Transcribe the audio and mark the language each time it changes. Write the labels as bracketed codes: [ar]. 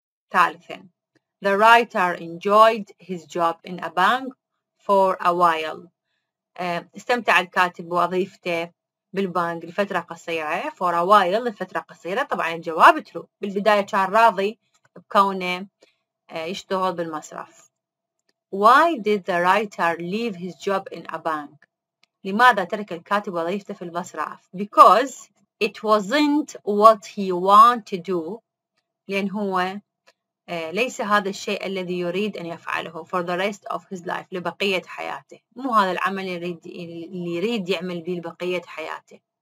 [ar] ثالثا, [en] the writer enjoyed his job in a bank for a while, [ar] استمتع الكاتب بوظيفته بالبنك لفترة قصيرة, [en] for a while [ar] لفترة قصيرة, طبعا الجواب true, بالبداية كان راضي بكونه يشتغل بالمصرف. [en] Why did the writer leave his job in a bank? [ar] لماذا ترك الكاتب وظيفته في المصرف؟ [en] Because it wasn't what he wanted to do, [ar] لأن هو ليس هذا الشيء الذي يريد أن يفعله, [en] for the rest of his life, [ar] لبقية حياته, مو هذا العمل اللي يريد يعمل به لبقية حياته.